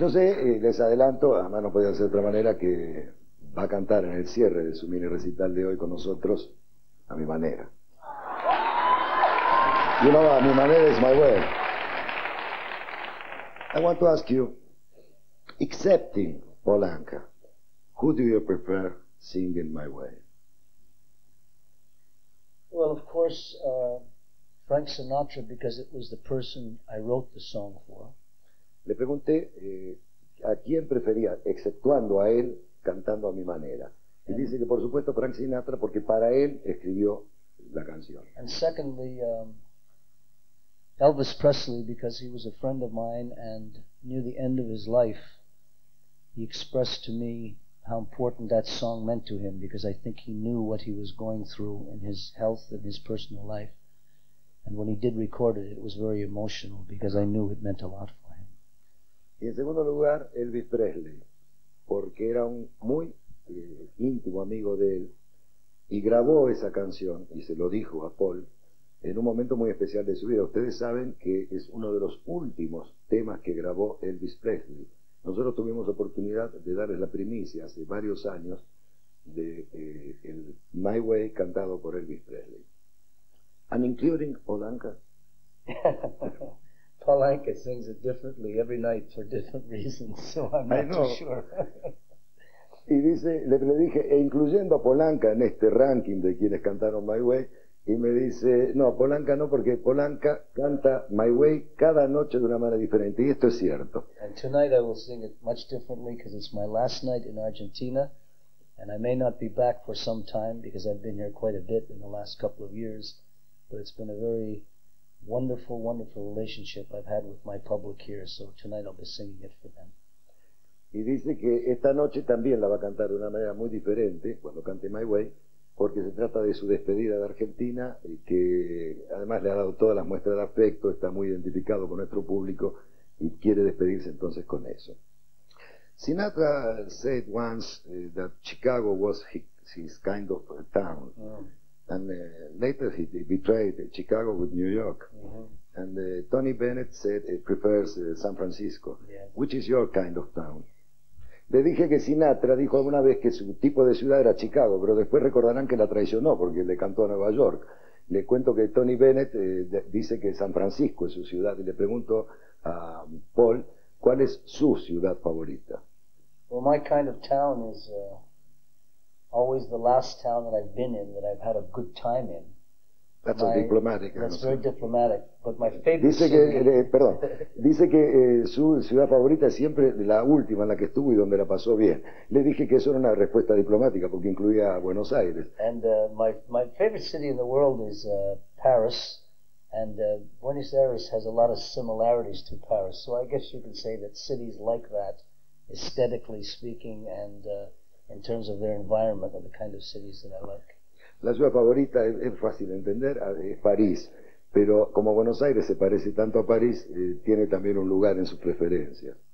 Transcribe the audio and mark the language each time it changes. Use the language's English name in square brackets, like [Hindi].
[Spanish] Yo sé, les adelanto, además no podía ser de otra manera, que va a cantar en el cierre de su mini recital de hoy con nosotros, a mi manera. [English] You know, [Spanish] a mi manera [English] is my way. I want to ask you, excepting Polanka, who do you prefer singing my way? Well, of course, Frank Sinatra, because it was the person I wrote the song for. [Spanish] Le pregunté a quién prefería, exceptuando a él, cantando a mi manera. Y dice que, por supuesto, Frank Sinatra, porque para él escribió la canción. [English] And secondly, Elvis Presley, because he was a friend of mine, and near the end of his life, he expressed to me how important that song meant to him, because I think he knew what he was going through in his health and his personal life, and when he did record it, it was very emotional, because I knew it meant a lot for him. [Spanish] Y en segundo lugar, Elvis Presley, porque era un muy íntimo amigo de él, y grabó esa canción, y se lo dijo a Paul, en un momento muy especial de su vida. Ustedes saben que es uno de los últimos temas que grabó Elvis Presley. Nosotros tuvimos oportunidad de darles la primicia hace varios años de el My Way cantado por Elvis Presley. [English] And including Polanka. Polanka sings it differently every night for different reasons, so I'm not too sure. [Spanish] Y dice, le dije, e incluyendo a Polanka en este ranking de quienes cantaron My Way, y me dice, no, Polanka no, porque Polanka canta My Way cada noche de una manera diferente, y esto es cierto. [English] And tonight I will sing it much differently, because it's my last night in Argentina, and I may not be back for some time, because I've been here quite a bit in the last couple of years, but it's been a very wonderful, wonderful relationship I've had with my public here, so tonight I'll be singing it for them. [Spanish] Y dice que esta noche también la va a cantar de una manera muy diferente, cuando cante My Way, porque se trata de su despedida de Argentina, que además le ha dado todas las muestras de afecto, está muy identificado con nuestro público y quiere despedirse entonces con eso. [English] Sinatra said once that Chicago was his kind of town. Mm-hmm. And later he betrayed Chicago with New York. Mm-hmm. And Tony Bennett said he prefers San Francisco. Yes. Which is your kind of town? [Spanish] Le dije que Sinatra dijo alguna vez que su tipo de ciudad era Chicago, pero después recordarán que la traicionó porque le cantó a Nueva York. Le cuento que Tony Bennett dice que San Francisco es su ciudad, y le pregunto a Paul, ¿cuál es su ciudad favorita? [English] Well, my kind of town is always the last town that I've been in that I've had a good time in. That's a diplomatic. That's very diplomatic. But my favorite. [Spanish] Dice que, perdón. Dice que su ciudad favorita es siempre la última en la que estuvo y donde la pasó bien. Le dije que eso era una respuesta diplomática porque incluía Buenos Aires. [English] And my favorite city in the world is Paris, and Buenos Aires has a lot of similarities to Paris. So I guess you could say that cities like that, aesthetically speaking, and in terms of their environment, are the kind of cities that I like. [Spanish] La ciudad favorita es fácil de entender, es París, pero como Buenos Aires se parece tanto a París, tiene también un lugar en su preferencia.